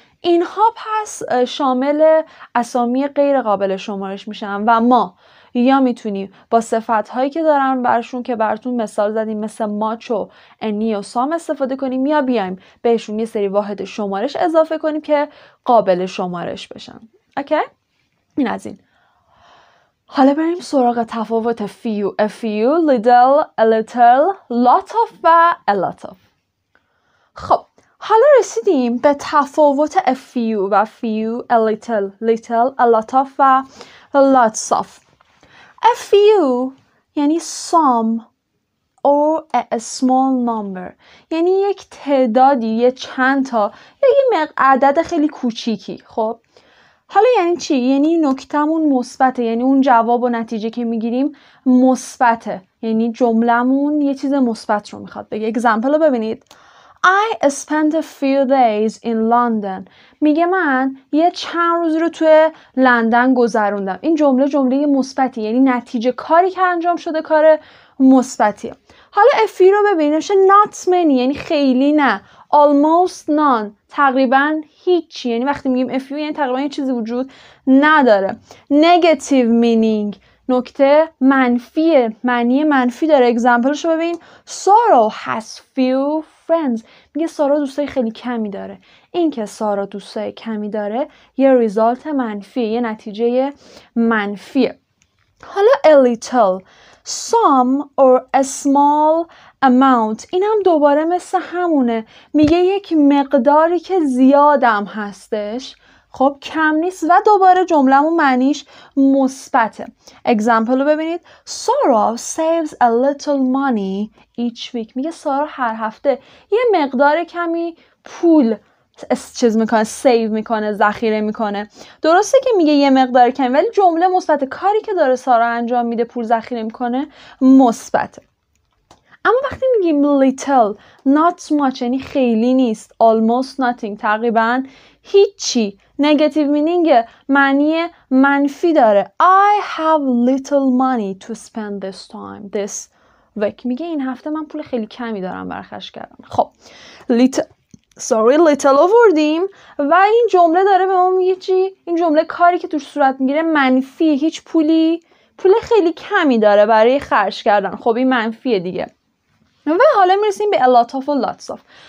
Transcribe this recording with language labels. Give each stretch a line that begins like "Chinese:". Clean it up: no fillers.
Persian: اینها پس شامل اسامی غیر قابل شمارش میشن و ما یا میتونیم با صفت هایی که دارن برشون که براتون مثال زدیم، مثل much و any و some استفاده کنیم، یا بیایم بهشون یه سری واحد شمارش اضافه کنیم که قابل شمارش بشن. اوکی؟ این از این. حالا بریم سراغ تفاوت few، a few، little، a little، lot of و a lot of. خب حالا رسیدیم به تفاوت a few و few، a little، little، a lot of و lots of. a few یعنی
English: some or a small number،
Persian: یعنی یک تعدادی، یه چند تا، یه عدد خیلی کوچیکی. خب حالا یعنی چی؟ یعنی نکتمون مثبته، یعنی اون جواب و نتیجه که میگیریم مثبته، یعنی جملمون یه چیز مثبت رو میخواد بگه. اگزمپل رو ببینید:
English: I spent a few days in London.
Persian: میگه من یه چند روز رو توی لندن گذروندم. این جمله جمله مثبتی، یعنی نتیجه کاری که انجام شده کار مثبتی. حالا a few رو ببینیم، میشه
English: not many،
Persian: یعنی خیلی نه.
English: Almost none،
Persian: تقریبا هیچی. یعنی وقتی میگیم a few یعنی تقریبا یه چیزی وجود نداره.
English: Negative meaning،
Persian: نکته منفیه، معنی منفی داره. اگزمپلشو ببین.
English: Sorrow has few friends.
Persian: میگه سارا دوستای خیلی کمی داره. این که سارا دوستای کمی داره یه ریزالت منفیه، یه نتیجه منفیه. حالا a little،
English: some or a small amount.
Persian: این هم دوباره مثل همونه، میگه یک مقداری که زیادم هستش. خب کم نیست و دوباره جملمون معنیش مثبته. اگزمپل رو ببینید.
English: Sara saves a little money each week.
Persian: میگه سارا هر هفته یه مقدار کمی پول چیز میکنه، سیو میکنه، ذخیره میکنه. درسته که میگه یه مقدار کمی، ولی جمله مثبته. کاری که داره سارا انجام میده، پول ذخیره میکنه، مثبته. اما وقتی میگیم little، not much، یعنی خیلی نیست،
English: almost nothing،
Persian: تقریبا هیچی، negative meaning، معنی منفی داره.
English: I have little money to spend this time this week.
Persian: میگه این هفته من پول خیلی کمی دارم برای خرج کردن. خب little آوردیم و این جمله داره به ما میگه چی؟ این جمله کاری که توش صورت میگیره منفی، هیچ پولی، پول خیلی کمی داره برای خرج کردن. خب این منفیه دیگه. و حالا میرسیم به a lot of و lots of.